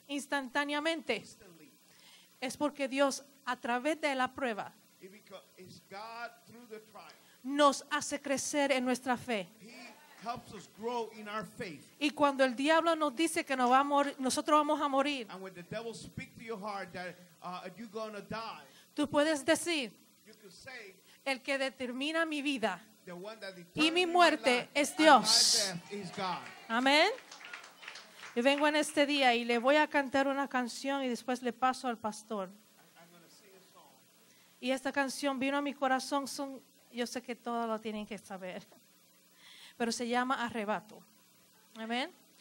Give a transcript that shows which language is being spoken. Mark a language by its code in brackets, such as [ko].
[es] Instantáneamente. [en] Instantly. [es] Es porque Dios, a través de la prueba, [en] it's God through the trial, [es] nos hace crecer en nuestra fe. [en] He helps us grow in our faith. [es] Y cuando el diablo nos dice que nos va a morir, nosotros vamos a morir, [en] and when the devil speaks to your heart that you're gonna die, [es] tú puedes decir, [en] you can say, [es] el que determina mi vida y mi muerte es Dios. Amén. Yo vengo en este día y le voy a cantar una canción y después le paso al pastor. Y esta canción vino a mi corazón, yo sé que todos lo tienen que saber, pero se llama Arrebato. Amén.